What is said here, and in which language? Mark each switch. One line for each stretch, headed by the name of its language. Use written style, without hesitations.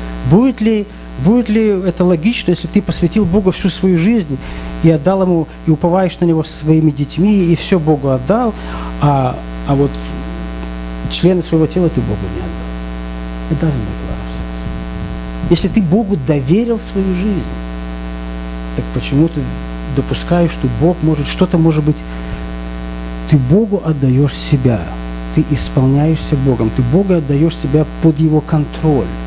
Russian: Будет ли это логично, если ты посвятил Богу всю свою жизнь и отдал ему, и уповаешь на него своими детьми, и все Богу отдал, а вот члены своего тела ты Богу не отдал?
English: It doesn't make a lot of sense.
Russian: Если ты Богу доверил свою жизнь, так почему ты допускаешь, что Бог может, что-то может быть, ты Богу отдаешь себя, ты исполняешься Богом, ты Богу отдаешь себя под его контроль.